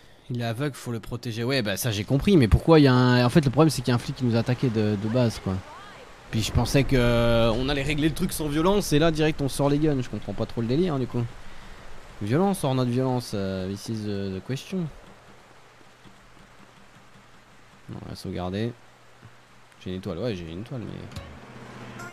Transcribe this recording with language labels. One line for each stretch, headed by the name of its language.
French: Il est aveugle, faut le protéger. Ouais, bah ça j'ai compris, mais pourquoi il y a un... En fait, le problème c'est qu'il y a un flic qui nous attaquait de base, quoi. Puis je pensais que on allait régler le truc sans violence, et là direct on sort les guns. Je comprends pas trop le délire, hein, du coup.
English: Violence, or not violence, this is the question.
French: On va sauvegarder. J'ai une étoile, ouais, j'ai une étoile, mais.